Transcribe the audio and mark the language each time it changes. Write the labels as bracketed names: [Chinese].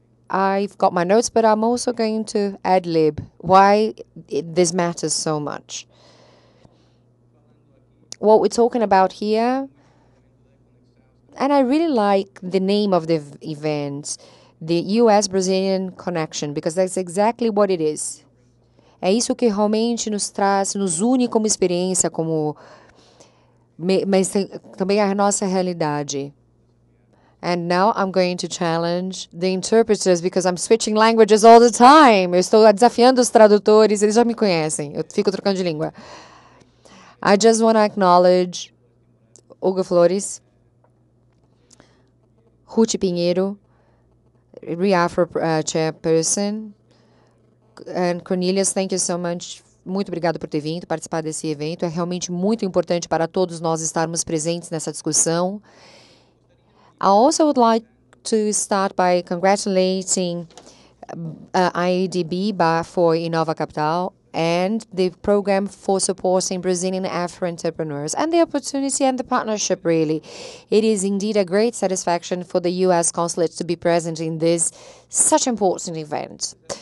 [English] I've got my notes, but I'm also going to ad lib why this matters so much. What we're talking about here, and I really like the name of the event, the U.S.-Brazilian connection, because that's exactly what it is. [Portuguese] É isso que realmente nos traz, nos une como experiência, como mas também a nossa realidade. [English] And now I'm going to challenge the interpreters because I'm switching languages all the time. [Portuguese] Eu estou desafiando os tradutores, eles já me conhecem. Eu fico trocando de língua. [English] I just want to acknowledge Hugo Flores, Ruth Pinheiro, Chairperson, and Cornelius, thank you so much. [Portuguese] Muito obrigado por ter vindo participar desse evento. É realmente muito importante para todos nós estarmos presentes nessa discussão. [English] I also would like to start by congratulating IADB for Inova Capital and the program for supporting Brazilian Afro-Entrepreneurs and the opportunity and the partnership, really. It is indeed a great satisfaction for the U.S. consulate to be present in this such important event.